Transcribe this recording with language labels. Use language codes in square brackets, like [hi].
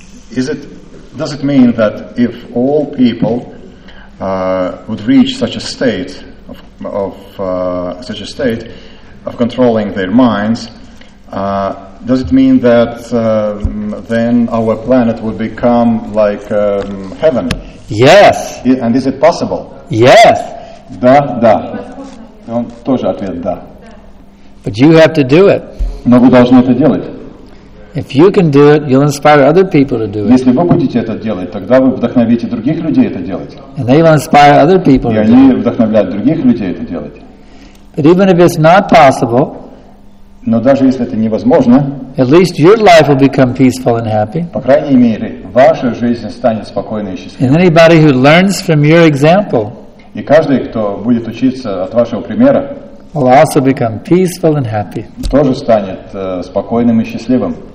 [en] Does it mean that if all people would reach such a state of controlling their minds, does it mean that then our planet would become like heaven? Yes. And is it possible? Yes. [ru] Да, да. Он тоже ответ да. [en] But you have to do it. [ru] Но вы должны это делать. [en] If you can do it, you'll inspire other people to do it. [ru] Если вы будете это делать, тогда вы вдохновите других людей это делать. [en] And they will inspire other people. [ru] И они вдохновляют других людей это делать. [en] But even if it's not possible, [ru] но даже если это невозможно, [en] at least your life will become peaceful and happy. [ru] По крайней мере, ваша жизнь станет спокойной и счастливой. [en] And anybody who learns from your example, [ru] и каждый, кто будет учиться от вашего примера, [en] will also become peaceful and happy. [ru] Тоже станет спокойным и счастливым.